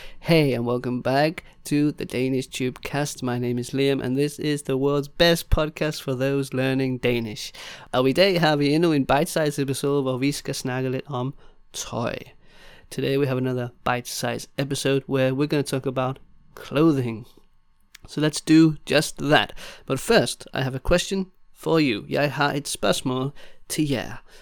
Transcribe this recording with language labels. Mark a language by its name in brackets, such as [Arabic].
[English] Hey, and welcome back to the Danish Tube Cast. My name is Liam, and this is the world's best podcast for those learning Danish. [Danish] Og i dag har vi endnu en bite-sized episode, hvor vi skal snakke lidt om tøj. [English] Today we have another bite-sized episode where we're going to talk about clothing. So let's do just that. But first, I have a question for you. [Danish] Jeg har et spørgsmål til jer.